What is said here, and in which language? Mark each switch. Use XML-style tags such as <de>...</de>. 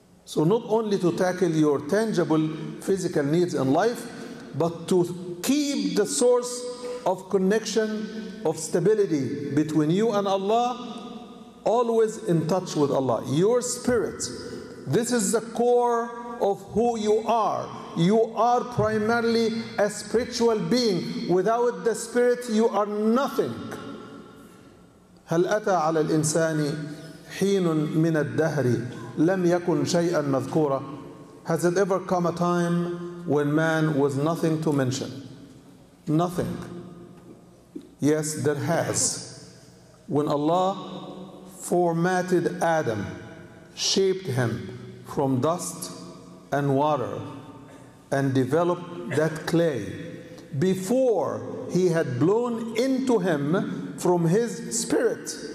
<en>So not only to tackle your tangible physical needs in life, but to keep the source of connection, of stability between you and Allah, always in touch with Allah. Your spirit, this is the core of who you are. You are primarily a spiritual being. Without the spirit, you are nothing.</en> <ar>هل أتى على الإنسان حين من الدهر لم يكن شيئا مذكورا.</ar> <en>Has it ever come a time when man was nothing to mention? Nothing. Yes, there has. When Allah formatted Adam, shaped him from dust and water, and developed that clay, before he had blown into him from his spirit.</en>